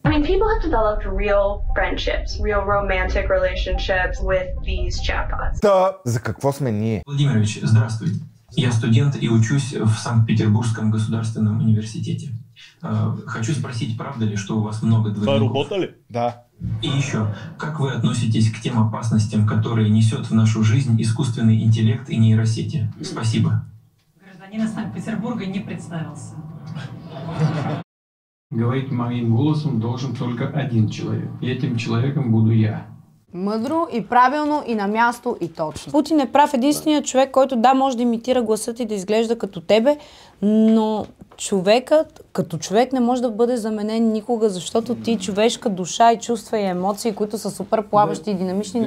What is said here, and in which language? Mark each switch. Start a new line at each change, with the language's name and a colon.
English: I mean, people have developed real friendships, real romantic relationships with these chatbots.
Bulgarian: Та, за какво сме ние?
Russian: Владимирович, здравствуй. Я студент и учусь в Санкт-Петербургском государственном университете. Хочу спросить, правда ли, что у вас много двойников? Вы работали? Да. И еще, как вы относитесь к тем опасностям, которые несет в нашу жизнь искусственный интеллект и нейросети? Спасибо. Гражданин Санкт-Петербурга не представился. Говорить моим голосом должен только один человек. И этим человеком буду я.
Bulgarian: Мъдро и правилно и на място и точно. Путин е прав, единственият човек, който да може да имитира гласът и да изглежда като тебе, но човекът като човек не може да бъде заменен никога, защото ти човешка душа и чувства и емоции, които са супер плаващи и динамични.